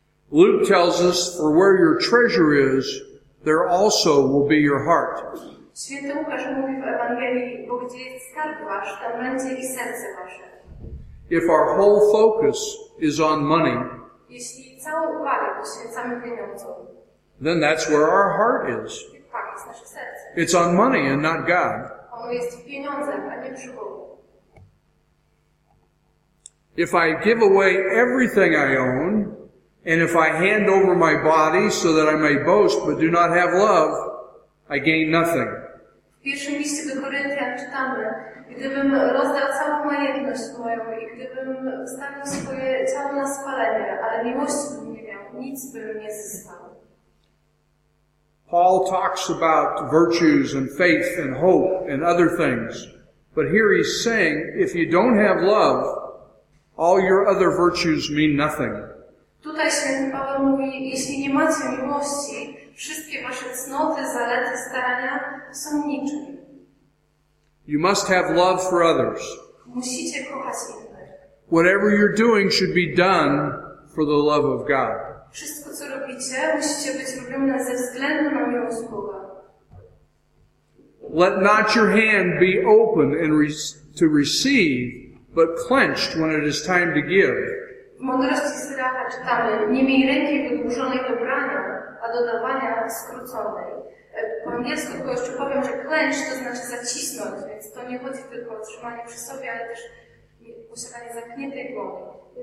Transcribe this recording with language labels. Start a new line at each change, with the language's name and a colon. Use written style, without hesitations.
English: Luke tells us, for where your treasure is, there also will be your heart.
Polish: Święty Łukasz mówi w Ewangelii, bo gdzie jest skarb wasz, tam będzie i serce wasze.
English: If our whole focus is on money,
Polish: jeśli całą uwagę poświęcamy pieniądzom,
English: then that's where our heart is.
Polish: Tak, jest nasze serce.
English: It's on money and not God.
Polish: Ono jest w pieniądzach, a nie przy Bogu.
English: If I give away everything I own, and if I hand over my body so that I may boast but do not have love, I gain nothing.
Polish: W pierwszym liście do Koryntian czytamy, gdybym rozdał całą majętność moją i gdybym wstawił swoje ciało na spalenie, ale miłości bym nie miał, nic bym nie zyskał.
English: Paul talks about virtues and faith and hope and other things. But here he's saying, if you don't have love, all your other virtues mean nothing.
Polish: Tutaj święty Paweł mówi, jeśli nie macie miłości, wszystkie wasze cnoty, zalety, starania są niczym.
English: You must have love for others.
Polish: Musicie kochać innych.
English: Whatever you're doing should be done for the love of God.
Polish: Wszystko, co robicie, musicie być robione ze względu na miłość Boga.
English: Let not your hand be open and to receive, but clenched when it is time to give.
Polish: W mądrości Syracha czytamy, nie miej ręki wydłużonej do brania, a do dawania skróconej. Po angielsku tylko jeszcze powiem, że clench to znaczy zacisnąć, więc to nie chodzi tylko o trzymanie przy sobie, ale też posiadanie zamkniętej głowy.